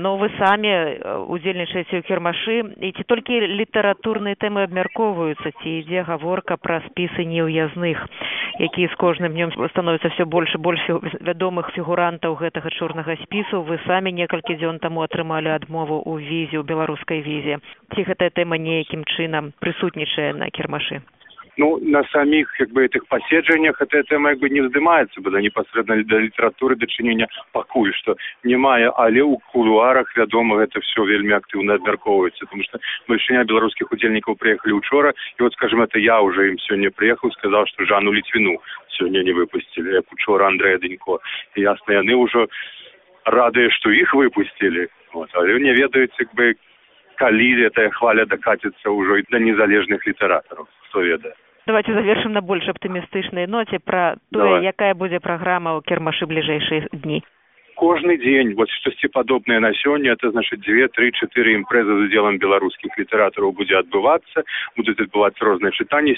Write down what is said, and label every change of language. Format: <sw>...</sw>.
<be>Ну, вы самі удзельнічаеце ў кірмашы. І ці толькі літаратурныя тэмы абмяркоўваюцца, ці ідзе гаворка пра спісы неўязных, якія з кожным днём становяцца ўсё больш і больш вядомых фігурантаў гэтага чорнага спісу? Вы самі некалькі дзён таму атрымалі адмову ў візе, ў беларускай візе. Ці гэтая тэма неякім чынам прысутнічае на кірмашы?</be> <ru>Ну, на самих, как бы, этих поседжаниях эта тема, как бы, не вздымается, бо непосредственно до литературы дочинения покуль, что немає, але у кулуарах, вядома, это все вельми активно обмерковывается, потому что большинство белорусских удельников приехали учора, и вот, скажем, это я уже им сегодня приехал, сказал, что Жанну Литвину сегодня не выпустили, как учора Андрея Денько. И ясно, они уже рады, что их выпустили, вот, але не ведают, как бы, коли эта хваля докатится уже до незалежных литераторов.</ru> <be>Давайте завершим на больш аптымістычнай ноце пра тое, якая будзе праграма ў кірмашы бліжэйшыя дні. Кожны дзень, вот штосьці падобнае на сёння, это значыць 2-3-4 імпрэзы з удзелам беларускіх літаратараў будзе адбывацца, будуць адбывацца розныя чытанні.</be>